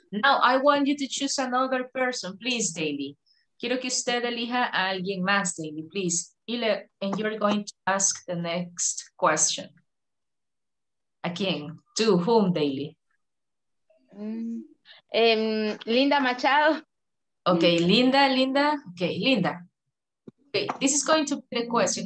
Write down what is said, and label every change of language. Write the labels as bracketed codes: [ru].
[en] Now I want you to choose another person, please, Daily. [es] Quiero que usted elija a alguien más, Daily, [en] please. Ile, and you're going to ask the next question. [es] ¿A quién? [en] To whom, [es] Daily? [en] Linda Machado. Okay, Linda. Okay, Linda. Okay, this is going to be the question.